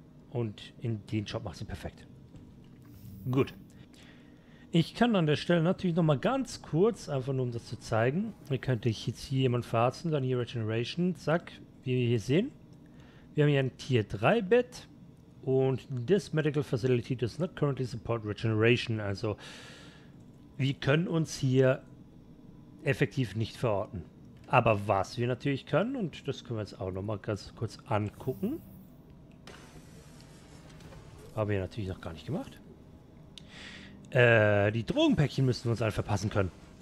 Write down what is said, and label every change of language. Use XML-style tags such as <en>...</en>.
<de>Und in den Job macht sie perfekt. Gut. Ich kann an der Stelle natürlich nochmal ganz kurz, einfach nur um das zu zeigen. Hier könnte ich jetzt hier jemanden verarzten, dann hier Regeneration. Zack, wie wir hier sehen. Wir haben hier ein Tier 3 Bett.</de> <en>Und this medical facility does not currently support regeneration.</en> <de>Also, wir können uns hier effektiv nicht verorten. Aber was wir natürlich können, und das können wir jetzt auch nochmal ganz kurz angucken. Haben wir natürlich noch gar nicht gemacht. Die Drogenpäckchen müssen wir uns alle verpassen können.</de>